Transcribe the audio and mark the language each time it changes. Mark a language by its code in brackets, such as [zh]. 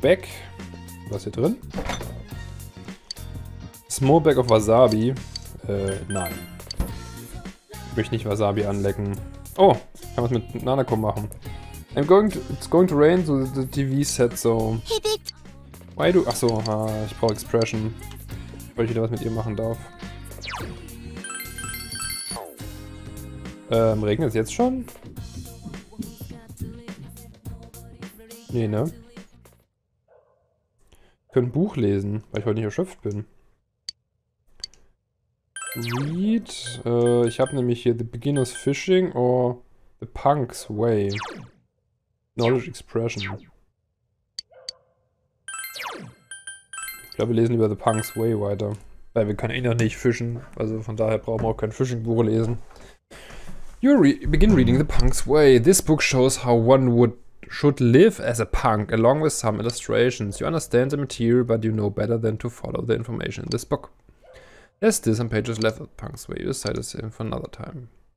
[de] back. Was ist hier drin? [en] Small bag of Wasabi? [de] Nein. Ich möchte nicht Wasabi anlecken. Oh, ich kann was mit Nanako machen. [en] It's going to rain, so the TV set, so. Why do. [de] Achso, ich brauche Expression. Weil ich wieder was mit ihr machen darf. Regnet es jetzt schon? Nee, ne? Ich könnte ein Buch lesen, weil ich heute nicht erschöpft bin. Read. Ich habe nämlich hier The Beginner's Fishing or The Punk's Way. Knowledge Expression. Ich glaube, wir lesen über The Punk's Way weiter. Weil wir können eh noch nicht fischen. Also von daher brauchen wir auch kein Fishing-Buch lesen. [en] You begin reading The Punk's Way. This book shows how one should live as a punk, along with some illustrations. You understand the material, but you know better than to follow the information in this book. There's this on pages left of Punk's Way. You decide to save him for another time.